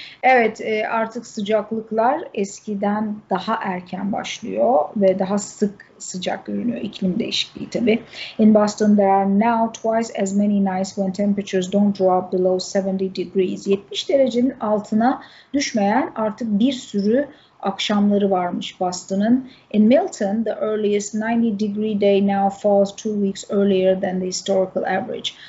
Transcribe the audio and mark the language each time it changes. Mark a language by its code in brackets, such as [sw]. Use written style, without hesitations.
[tr] Evet, artık sıcaklıklar eskiden daha erken başlıyor ve daha sık sıcak görünüyor. İklim değişikliği tabii. [en] In Boston there are now twice as many nights when temperatures don't drop below 70 degrees. [tr] 70 derecenin altına düşmeyen artık bir sürü akşamları varmış Boston'ın. [en] In Milton, the earliest 90 degree day now falls 2 weeks earlier than the historical average.